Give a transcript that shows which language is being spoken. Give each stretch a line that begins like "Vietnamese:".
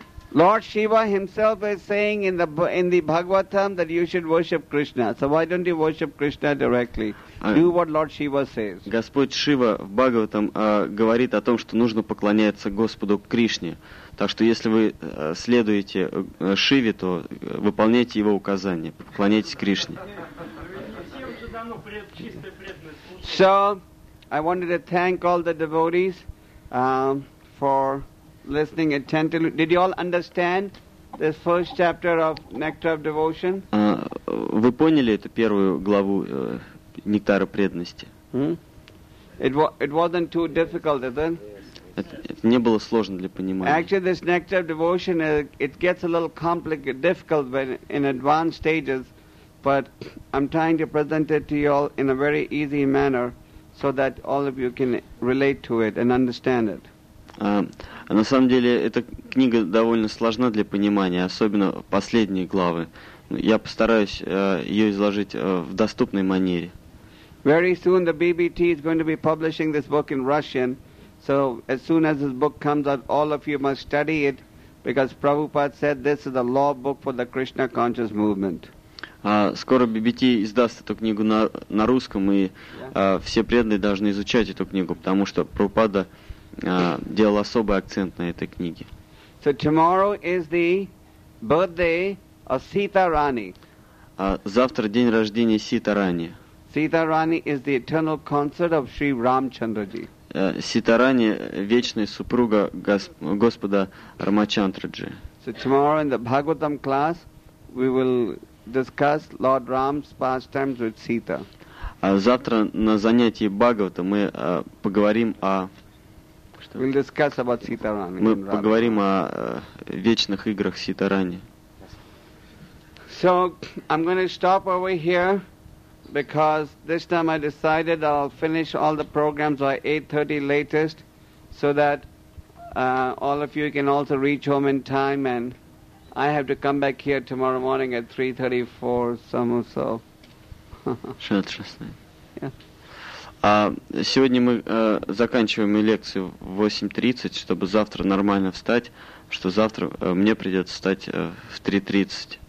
English: Lord Shiva himself is saying in the Bhagavatam that you should worship Krishna. So why don't you worship Krishna directly? Do what Lord Shiva says.
Russian: Господь Шива в Бхагаватам говорит о том, что нужно поклоняться Господу Кришне. Так что если вы следуете Шиве, то выполняйте его указания. Поклоняйтесь Кришне.
English: So, I wanted to thank all the devotees for listening attentively. Did you all understand this first chapter of Nectar of Devotion?
Russian: Вы поняли эту первую главу Нектара преданности?
English: It wasn't too difficult, is it?
Russian: Это не было сложно для понимания.
English: Actually, this Nectar of Devotion, it gets a little complicated, difficult when in advanced stages. But I'm trying to present it to you all in a very easy manner so that all of you can relate to it and understand it.
Russian: На самом деле, эта книга довольно сложна для понимания, особенно последние главы. Я постараюсь ее изложить в доступной манере.
English: Very soon the BBT is going to be publishing this book in Russian. So as soon as this book comes out, all of you must study it, because Prabhupada said this is the law book for the Krishna conscious movement.
Russian: Скоро BBT издаст эту книгу на русском, и все преданные должны изучать эту книгу, потому что Прабхупада делал особый акцент на этой книге.
English: So tomorrow is the birthday of Sita Rani.
Russian: Завтра день рождения Сита Рани.
English: Sita Rani is the eternal consort of Sri Ramchandraji.
Russian: Сита Рани – вечная супруга Господа Рамачандраджи.
English: So tomorrow in the Bhagavatam class we will discuss Lord Ram's pastimes with Sita.
Russian: Завтра на занятии Бхагавата мы поговорим о...
English: We'll discuss about Sita Rani.
Russian: Мы поговорим о вечных играх Сита Рани.
English: So I'm going to stop over here. Because this time I decided I'll finish all the programs by 8:30 latest, so that all of you can also reach home in time, and I have to come back here tomorrow morning at 3:34 some or so.
Russian: Сегодня мы заканчиваем лекцию в 8:30, чтобы завтра нормально встать, что завтра мне придется встать в 3:30.